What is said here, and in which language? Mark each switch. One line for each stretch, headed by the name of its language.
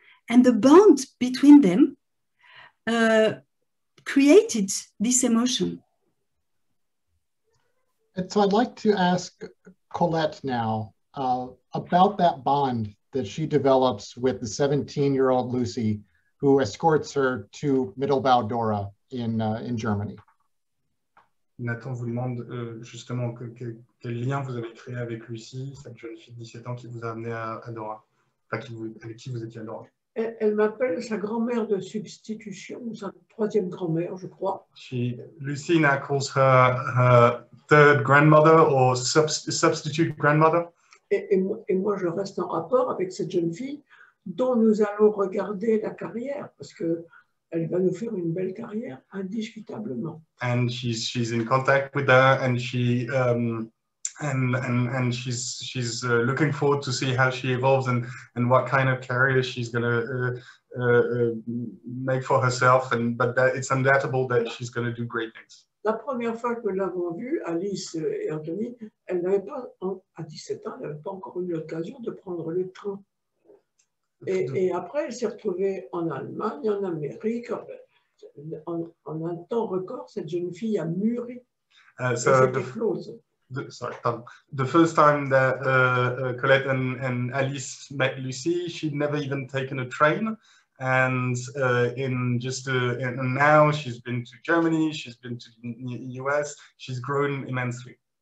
English: And the bond between them created this emotion. And so I'd like to ask Colette now about that bond that she develops with the 17-year-old Lucie, who escorts her to Mittelbau Dora in Germany.
French: Nathan vous demande justement quel lien vous avez créé avec Lucie, cette jeune fille de 17 ans qui vous a amené à Dora, enfin avec qui vous étiez à Dora. Elle m'appelle sa grand-mère de substitution, ou sa troisième grand-mère, je crois.
English: Lucina calls her third grandmother or substitute grandmother.
French: Et moi, je reste en rapport avec cette jeune fille dont nous allons regarder la carrière, parce que elle va nous faire une belle carrière, indiscutablement.
English: And she's in contact with her, and she's looking forward to see how she evolves and what kind of career she's going to make for herself. But it's undoubtable that she's going to do great things.
French: La première fois que nous l'avons vue, Alice et Anthony, elle n'avait pas, à 17 ans, elle n'avait pas encore eu l'occasion de prendre le train. Et après, elle s'est retrouvée en Allemagne, en Amérique. En un temps record, cette jeune fille a mûri.
English: The first time that Colette and Alice met Lucie, she'd never even taken a train. And now she's been to Germany, she's been to the US, she's grown immensely.